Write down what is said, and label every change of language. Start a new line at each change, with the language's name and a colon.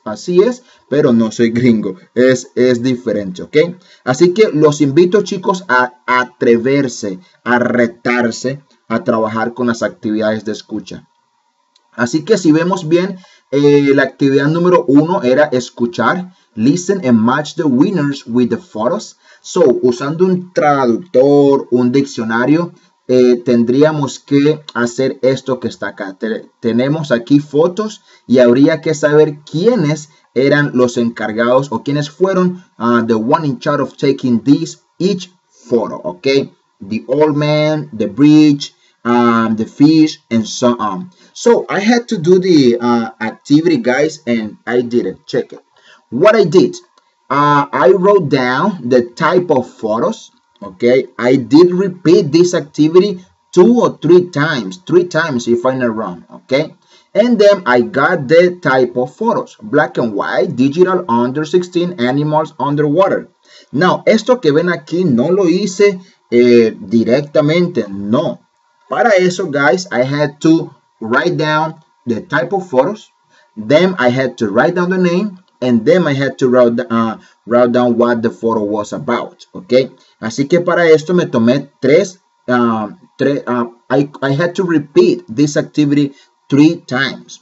Spanish: Así es, pero no soy gringo. Es diferente, ¿ok? Así que los invito, chicos, a atreverse, a retarse, a trabajar con las actividades de escucha. Así que si vemos bien, la actividad número 1 era escuchar.
English: Listen and match the winners with the photos.
Spanish: So, usando un traductor, un diccionario, tendríamos que hacer esto que está acá. Tenemos aquí fotos y habría que saber quiénes eran los encargados o quiénes fueron
English: the one in charge of taking this each photo,
Spanish: ¿ok?
English: The old man, the bridge, the fish, and so on. So, I had to do the activity, guys, and I did it. Check it. What I did, I wrote down the type of photos. Okay, I did repeat this activity 2 or 3 times, 3 times if I'm not wrong, okay? And then I got the type of photos, black and white, digital, under 16, animals, underwater.
Spanish: Now, esto que ven aquí no lo hice directamente, no. Para eso,
English: guys, I had to write down the type of photos. Then I had to write down the name. And then I had to write down what the photo was about. Okay?
Spanish: Así que para esto me tomé
English: I had to repeat this activity 3 times.